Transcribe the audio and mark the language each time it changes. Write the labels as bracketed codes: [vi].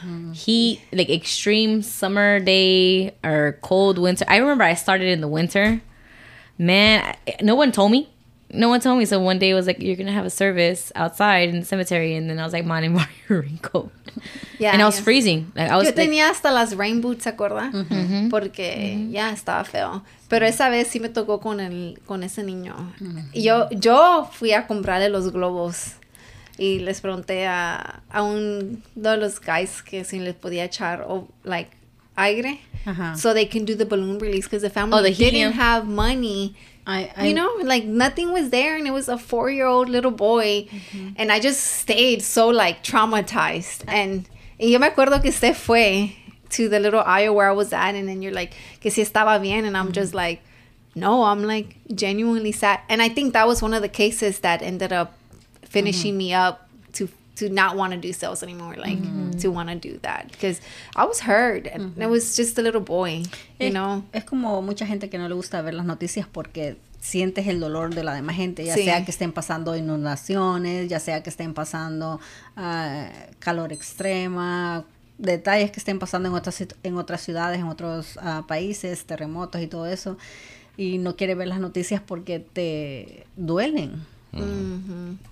[en] Uh-huh. Heat, like extreme summer day or cold winter. I remember I started in the winter. Man, no one told me. So one day it was like, you're going to have a service outside in the cemetery. And then I was like, man, I'm wearing a raincoat. Yeah, and I was freezing. Like, I was [es] yo tenía hasta las rain boots, ¿se acuerda? Mm-hmm. Porque mm-hmm. ya estaba feo. Pero esa vez sí me tocó con ese niño. Mm-hmm. Y yo fui a comprarle los globos. Y les pregunté a uno de los guys que si les podía echar like aire. Uh-huh. [en] So they can do the balloon release because the family didn't have money. You know, like nothing was there and it was a 4-year-old little boy. Mm-hmm. And I just stayed so like traumatized. Y yo me acuerdo que usted fue to the little aisle where I was at. And then you're like, que si estaba bien. And I'm mm-hmm. just like, no, I'm like genuinely sad. And I think that was one of the cases that ended up finishing mm-hmm. me up to not want to do sales anymore. Like mm-hmm. to want to do that because I was hurt and mm-hmm. it was just a little boy, you know. [es] Es como mucha gente que no le gusta ver las noticias porque sientes el dolor de la demás gente, ya sí. sea que estén pasando inundaciones, ya sea que estén pasando calor extrema, detalles que estén pasando en otras ciudades, en otros países, terremotos y todo eso, y no quiere ver las noticias porque te duelen. Uh-huh.